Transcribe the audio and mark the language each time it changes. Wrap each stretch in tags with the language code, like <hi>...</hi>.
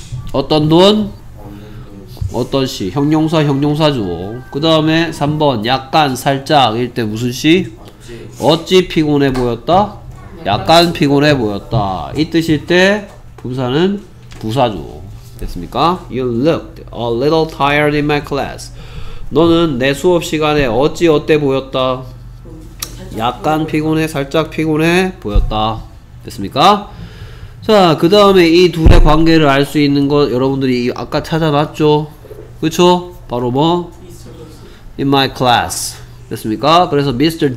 <ko>어떤 돈? 어떤 시? 형용사 형용사죠. 그 다음에 3번 약간 살짝 일 때 무슨 시? 어찌 피곤해 보였다? 약간 피곤해 보였다. 이 뜻일 때 분사는 부사죠. 됐습니까?</ko> <en>You looked a little tired in my class.</en> <ko>너는 내 수업 시간에 어찌 어때 보였다? 약간 피곤해, 살짝 피곤해 보였다. 됐습니까? 자, 그 다음에 이 둘의 관계를 알 수 있는 것 여러분들이 아까 찾아놨죠? 그쵸? 바로 뭐?</ko> <en>In my class.</en> <ko>됐습니까? 그래서 Mr.</ko>